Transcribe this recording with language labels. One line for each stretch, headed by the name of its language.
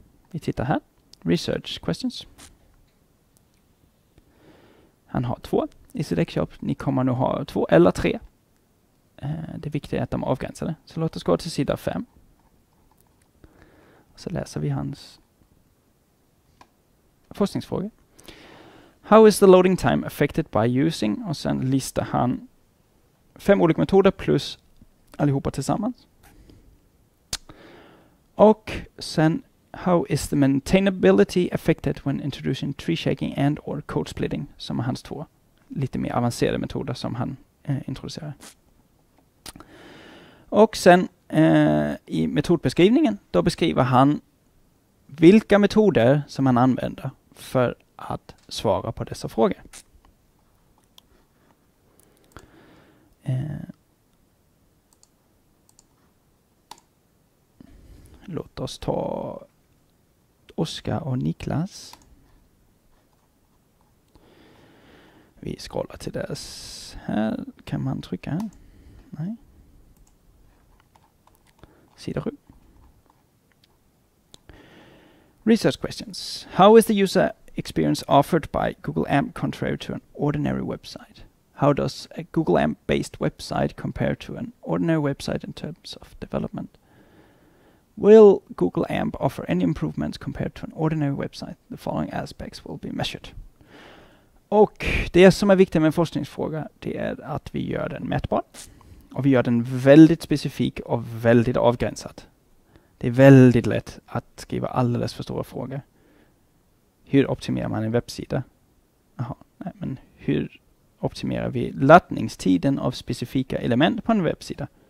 Swedish: Vi tittar här.
English: Research questions.
Swedish: Han har 2 i sitt exjobb. Ni kommer nu ha 2 eller 3. Det viktiga är att de är avgränsade. Så låt oss gå till sida 5. Så läser vi hans forskningsfråga.
English: How is the loading time affected by using?
Swedish: Och sen listar han 5 olika metoder plus allihopa tillsammans. Och sen,
English: how is the maintainability affected when introducing tree shaking and or code splitting?
Swedish: Som är hans 2 lite mer avancerade metoder som han introducerar. Och sen i metodbeskrivningen, då beskriver han vilka metoder som han använder för att svara på dessa frågor. Låt oss ta Oskar och Niklas. Vi scrollar till dess. Här kan man trycka. Nej. Sida 7.
English: Research questions. How is the user experience offered by Google AMP contrary to an ordinary website? How does a Google AMP based website compare to an ordinary website in terms of development? Will Google AMP offer any improvements compared to an ordinary website? The following aspects will be measured.
Swedish: Och det som är viktigt med en forskningsfråga, det är att vi gör den mätbar. Och vi gör den väldigt specifik och väldigt avgränsad. Det är väldigt lätt att skriva alldeles för stora frågor. Hur optimerar man en webbsida? Jaha, nej, men hur optimerar vi laddningstiden av specifika element på en webbsida?